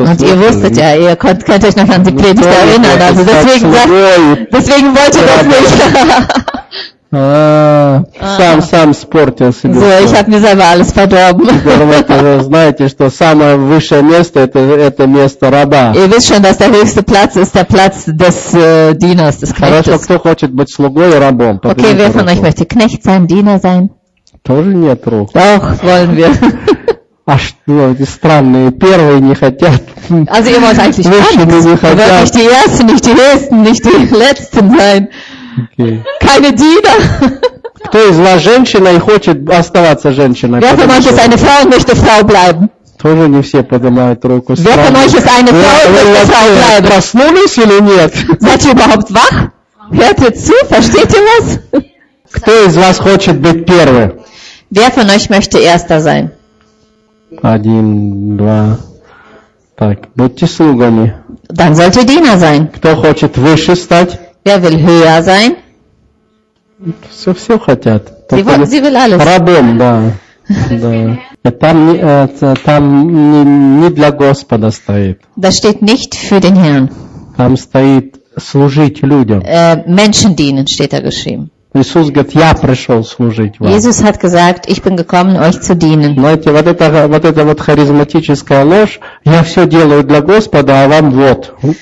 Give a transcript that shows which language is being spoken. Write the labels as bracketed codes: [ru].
[de] Und ihr wusstet ja, ihr könnt euch noch an die Predigt erinnern. Also deswegen wollt ihr das nicht. [ru] Сам спортил себе. [de] So, ich habe mir selber alles verdorben. [ru] Вы знаете, что самое высшее место это место раба. [de] Ihr wisst schon, dass der höchste Platz ist der Platz des Dieners, des Knechtes. [ru] Хорошо, кто хочет быть слугой и рабом? [de] Okay, wer von euch möchte Knecht sein, Diener sein? [ru] Тоже нет рук. [de] Doch, wollen wir. [ru] А что, эти странные, первые не хотят. [de] Also ihr wollt eigentlich nicht. Ihr wollt nicht die Ersten, nicht die Höchsten, nicht die Letzten sein. Okay. Keine Diener. [ru] Кто из вас женщина и хочет оставаться женщиной? [de] Wer von euch ist eine Frau und möchte Frau bleiben? [ru] Тоже не все поднимают руку. [de] Wer von euch ist eine Frau und möchte Frau bleiben? [ru] Проснулись или нет? [de] Seid ihr überhaupt wach? Hört ihr zu? Versteht ihr was? [ru] Кто из вас хочет быть первым? [de] Wer von euch möchte erster sein? [ru] Один, два. Так, будьте слугами. [de] Dann sollte Diener sein. [ru] Кто хочет выше стать? [de] Wer will höher sein? [ru] Все, все хотят. [de] Sie will alles. [ru] Рабом, да. Да. Там не для Господа стоит. [de] Das steht nicht für den Herrn. [ru] Там стоит служить людям. [de] Menschen dienen, steht da geschrieben. [ru] Иисус говорит, я пришел служить вам. [de] Jesus hat gesagt, ich bin gekommen, euch zu dienen. [ru] Знаете, вот эта харизматическая ложь, я все делаю для Господа, а вам вот.